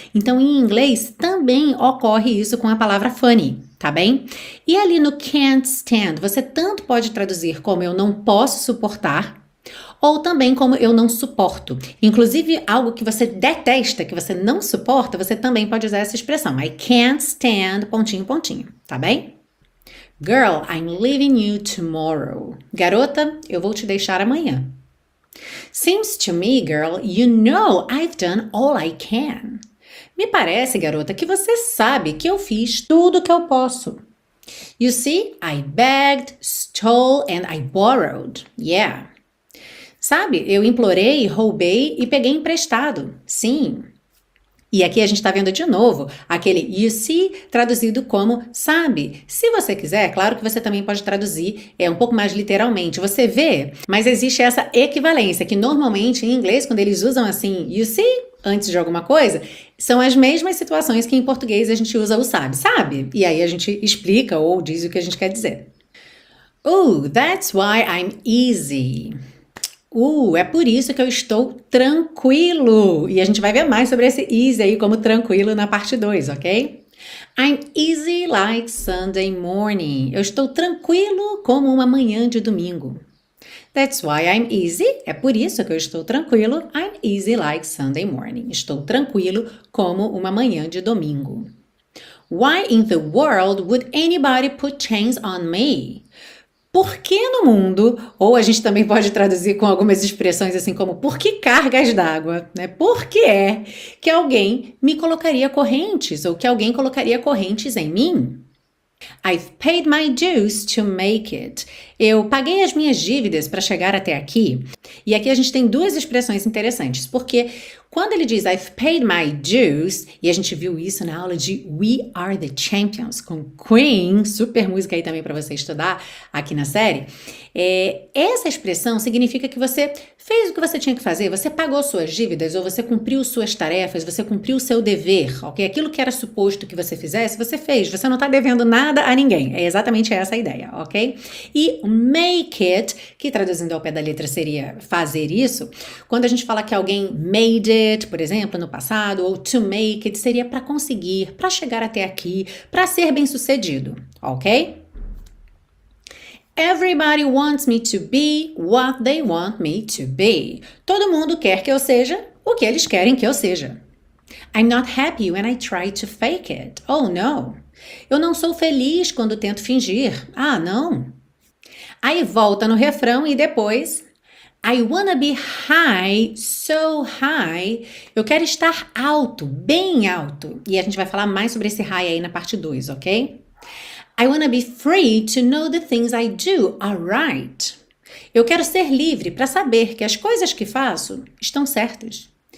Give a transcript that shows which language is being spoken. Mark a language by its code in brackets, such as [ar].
[pt] Então, em inglês, também ocorre isso com a palavra funny, tá bem? E ali no can't stand, você tanto pode traduzir como eu não posso suportar, ou também como eu não suporto. Inclusive, algo que você detesta, que você não suporta, você também pode usar essa expressão. [en] I can't stand, [pt] pontinho, pontinho, tá bem? [en] Girl, I'm leaving you tomorrow. [pt] Garota, eu vou te deixar amanhã. [en] Seems to me, girl, you know I've done all I can. [pt] Me parece, garota, que você sabe que eu fiz tudo que eu posso. [en] You see, I begged, stole and I borrowed. Yeah. [pt] Sabe, eu implorei, roubei e peguei emprestado. Sim. E aqui a gente está vendo de novo aquele you see traduzido como sabe. Se você quiser, claro que você também pode traduzir um pouco mais literalmente. Você vê, mas existe essa equivalência que normalmente em inglês, quando eles usam assim you see antes de alguma coisa, são as mesmas situações que em português a gente usa o sabe, sabe? E aí a gente explica ou diz o que a gente quer dizer. [en] Oh, that's why I'm easy. [pt] É por isso que eu estou tranquilo. E a gente vai ver mais sobre esse easy aí como tranquilo na parte 2, ok? [en] I'm easy like Sunday morning. [pt] Eu estou tranquilo como uma manhã de domingo. [en] That's why I'm easy. [pt] É por isso que eu estou tranquilo. [en] I'm easy like Sunday morning. [pt] Estou tranquilo como uma manhã de domingo. [en] Why in the world would anybody put chains on me? [pt] Por que no mundo, ou a gente também pode traduzir com algumas expressões assim como por que cargas d'água, né? Por que é que alguém me colocaria correntes ou que alguém colocaria correntes em mim? [en] I've paid my dues to make it. [pt] Eu paguei as minhas dívidas para chegar até aqui. E aqui a gente tem duas expressões interessantes, porque quando ele diz [en] I've paid my dues, [pt] e a gente viu isso na aula de We Are the Champions com Queen, super música aí também para você estudar aqui na série, essa expressão significa que você fez o que você tinha que fazer, você pagou suas dívidas, ou você cumpriu suas tarefas, você cumpriu o seu dever, ok? Aquilo que era suposto que você fizesse, você fez, você não está devendo nada a ninguém. É exatamente essa a ideia, ok? E o make it, que traduzindo ao pé da letra seria fazer isso, quando a gente fala que alguém made it, por exemplo, no passado, ou to make it seria para conseguir, para chegar até aqui, para ser bem-sucedido, ok? [en] Everybody wants me to be what they want me to be. [pt] Todo mundo quer que eu seja o que eles querem que eu seja. [en] I'm not happy when I try to fake it. Oh, no. [pt] Eu não sou feliz quando tento fingir. Ah, não. Aí volta no refrão e depois. [en] I wanna be high, so high. [pt] Eu quero estar alto, bem alto. E a gente vai falar mais sobre esse high aí na parte 2, ok? [en] I wanna be free to know the things I do are right. [pt] Eu quero ser livre para saber que as coisas que faço estão certas.